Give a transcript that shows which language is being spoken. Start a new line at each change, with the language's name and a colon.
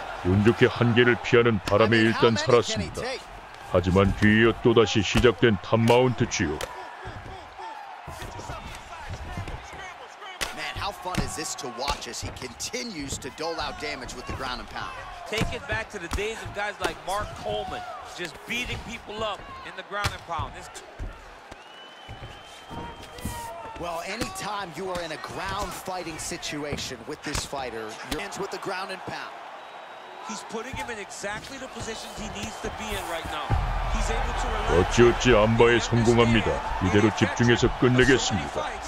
Korean: 운 좋게 한계를 피하는 바람에 일단 살았습니다. 하지만 뒤이어 또다시 시작된 탑 마운트 치유.
English: Man, how fun is this to watch as he continues to dole out damage with the ground and pound. Take it back to the days of guys like Mark Coleman just beating people up in the ground and pound. Well, anytime you are in a ground fighting situation with this fighter, you're with the ground and pound. He's putting him in exactly the position he needs to be in right now.
Korean: 어찌어찌 암바에 성공합니다. 이대로 집중해서 끝내겠습니다.